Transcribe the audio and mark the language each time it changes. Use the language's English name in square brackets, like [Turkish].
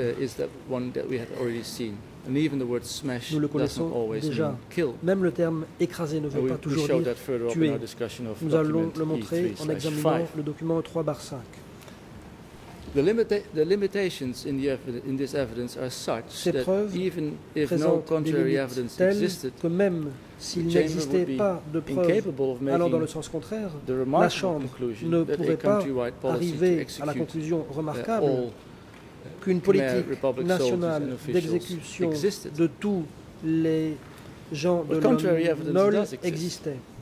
[English] is that one that we had already seen. And even the word smash [French] nous le connaissons déjà. Même le terme écraser ne veut pas toujours dire tuer. Nous allons le montrer en examinant le document E3/5. [English] The limitations in this evidence are such that even if no contrary evidence existed, [French] que même s'il n'existait pas de preuve allant dans le sens contraire, la Chambre ne pourrait pas arriver à la conclusion remarquable qu'une politique nationale d'exécution de tous les gens de l'ONU existait.